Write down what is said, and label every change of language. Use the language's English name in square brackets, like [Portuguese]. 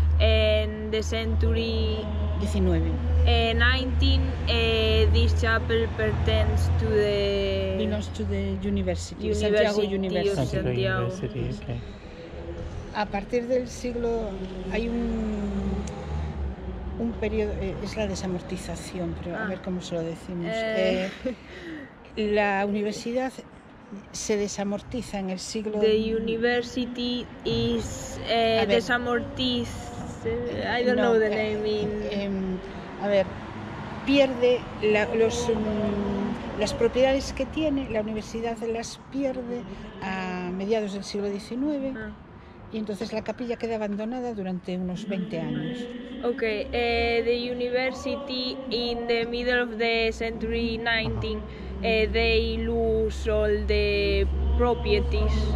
[English] In the century 19, this chapel pertains to the University, Santiago University. Okay. [Spanish] A partir del siglo hay un periodo, es la desamortización, pero a ver cómo se lo decimos. La universidad se desamortiza en el siglo. [English] The university is desamortized. I don't know the name in... [Spanish] A ver, pierde las propiedades que tiene, la universidad las pierde a mediados del siglo XIX y entonces la capilla queda abandonada durante unos 20 años. [English] Okay, the university in the middle of the century 19, they lose all the properties.